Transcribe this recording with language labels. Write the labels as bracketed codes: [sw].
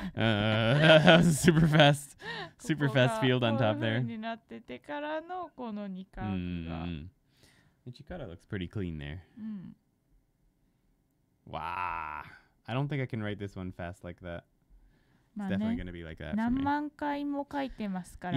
[en] That was a super fast, super fast field on top there. [ja] ここがこういう風になっててからのこの二角が。 [en] Ichikara looks pretty clean there. Mm. Wow. I don't think I can write this one fast like that. It's definitely going to be like that for me. [ja] 何万回も書いてますから。